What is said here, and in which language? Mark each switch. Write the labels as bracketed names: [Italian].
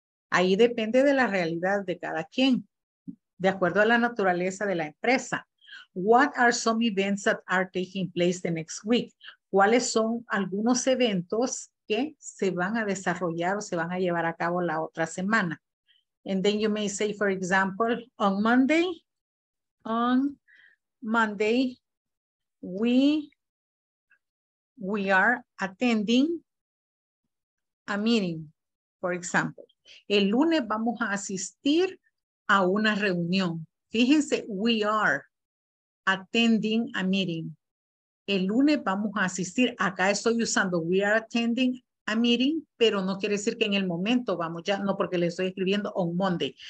[Spanish] Ahí depende de la realidad de cada quien, de acuerdo a la naturaleza de la empresa. [English] What are some events that are taking place the next week? [Spanish] ¿Cuáles son algunos eventos que se van a desarrollar o se van a llevar a cabo la otra semana? [English] And then you may say, for example, on Monday, we are attending a meeting, for example. [Spanish] El lunes vamos a asistir a una reunión. [English] Fíjense, we are attending a meeting. [Spanish] El lunes vamos a asistir. Acá estoy usando [English] we are attending a meeting, [Spanish] pero no quiere decir que en el momento vamos ya, no, porque le estoy escribiendo [English] on Monday.